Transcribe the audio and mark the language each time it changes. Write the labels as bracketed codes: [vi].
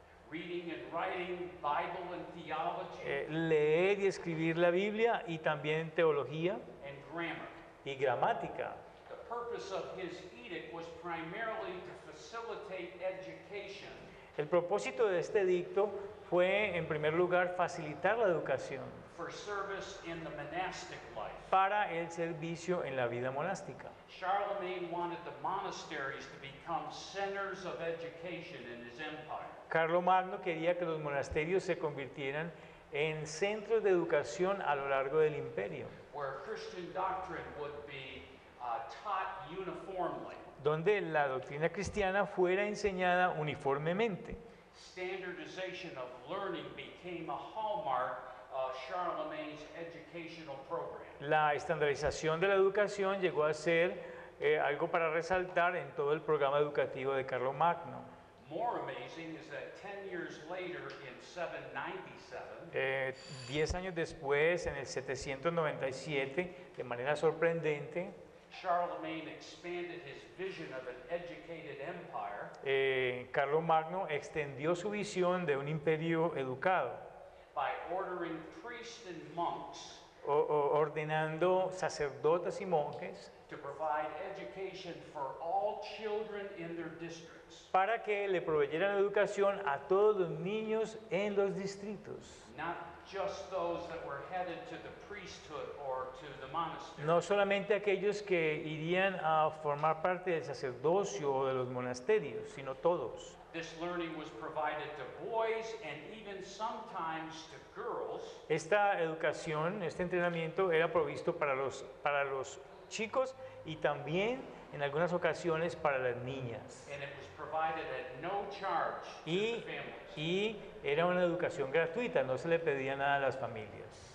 [en] reading and writing, Bible and theology, [es] leer y escribir la Biblia y también teología, [en] and grammar, [es] y gramática. [en] The purpose of his edict was primarily to facilitate education. [es] El propósito de este edicto fue, en primer lugar, facilitar la educación [en] for service in the monastic life. [es] Para el servicio en la vida monástica. [en] Charlemagne wanted the monasteries to become centers of education in his empire. [es] Carlomagno quería que los monasterios se convirtieran en centros de educación a lo largo del imperio. [en] Where Christian doctrine would be taught uniformly. [es] Donde la doctrina cristiana fuera enseñada uniformemente. [en] Standardization of learning became a hallmark of Charlemagne's educational program. [es] La estandarización de la educación llegó a ser algo para resaltar en todo el programa educativo de Carlomagno. [en] More amazing is that 10 years later in 797, [es] 10 años después en el 797, de manera sorprendente, [en] Charlemagne expanded his vision of an educated empire. [es] Carlomagno extendió su visión de un imperio educado. [en] By ordering priests and monks, [es] ordenando sacerdotes y monjes [en] to provide education for all children in their districts. [es] Para que le proveyeran educación a todos los niños en los distritos. [en] Not just those that were headed to the priesthood or to the monastery. [es] No solamente aquellos que irían a formar parte del sacerdocio o de los monasterios, sino todos. [en] This learning was provided to boys and even sometimes to girls. [es] Esta educación, este entrenamiento era provisto para los chicos y también en algunas ocasiones para las niñas. [en] And it was provided at no charge to the families. [es] Y era una educación gratuita, no se le pedía nada a las familias.